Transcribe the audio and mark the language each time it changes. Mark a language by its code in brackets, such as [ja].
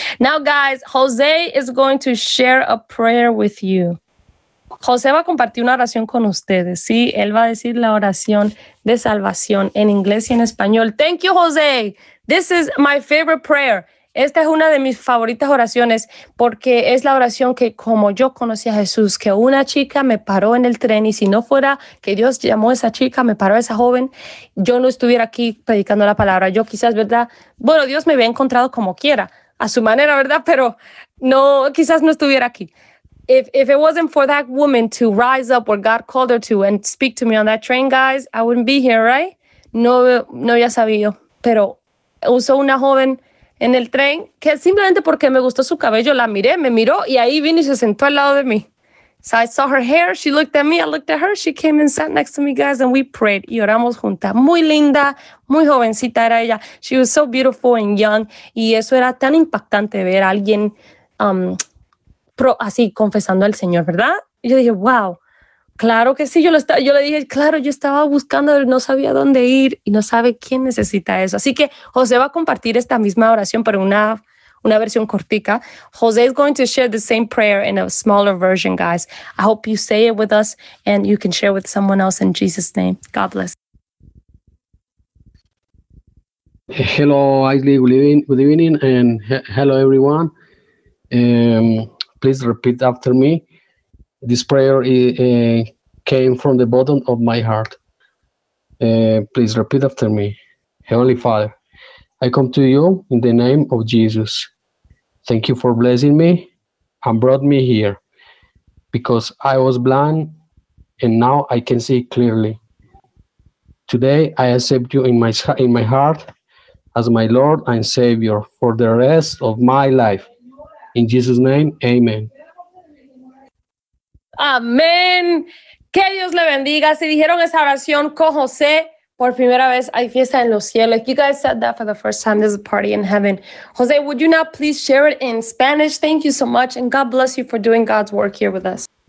[en] Now, guys, Jose is going to share a prayer with you. [es] José va a compartir una oración con ustedes, ¿sí? Él va a decir la oración de salvación en inglés y en español. [en] Thank you, José. This is my favorite prayer. [es] Esta es una de mis favoritas oraciones porque es la oración que, como yo conocí a Jesús, que una chica me paró en el tren, y si no fuera que Dios llamó a esa chica, me paró a esa joven, yo no estuviera aquí predicando la palabra. Yo quizás, ¿verdad? Bueno, Dios me había encontrado como quiera, a su manera, ¿verdad? Pero no, quizás no estuviera aquí. [en] If it wasn't for that woman to rise up where God called her to and speak to me on that train, guys, I wouldn't be here, right? [es] No había sabido, pero usó una joven en el tren que simplemente porque me gustó su cabello, la miré, me miró y ahí vino y se sentó al lado de mí. [en] So I saw her hair, she looked at me, I looked at her, she came and sat next to me, guys, and we prayed. [es] Y oramos juntas. Muy linda, muy jovencita era ella. [en] She was so beautiful and young. [es] Y eso era tan impactante ver a alguien así confesando al Señor, ¿verdad? Y yo dije, wow, claro que sí. Yo le dije, claro, yo estaba buscando, no sabía dónde ir y no sabe quién necesita eso. Así que José va a compartir esta misma oración, pero una versión cortica. [en] José is going to share the same prayer in a smaller version, guys. I hope you say it with us and you can share with someone else in Jesus' name. God bless. Hello, Aisley. Good evening and hello, everyone. Please repeat after me. This prayer came from the bottom of my heart. Please repeat after me. Heavenly Father, I come to you in the name of Jesus. Thank you for blessing me and brought me here because I was blind and now I can see clearly. Today, I accept you in my heart as my Lord and Savior for the rest of my life. In Jesus' name, amen. [es] Amén. Que Dios le bendiga. Si dijeron esa oración con José, por primera vez hay fiesta en los cielos. [en] You guys said that for the first time, there's a party in heaven. José, would you now please share it in Spanish? Thank you so much. And God bless you for doing God's work here with us.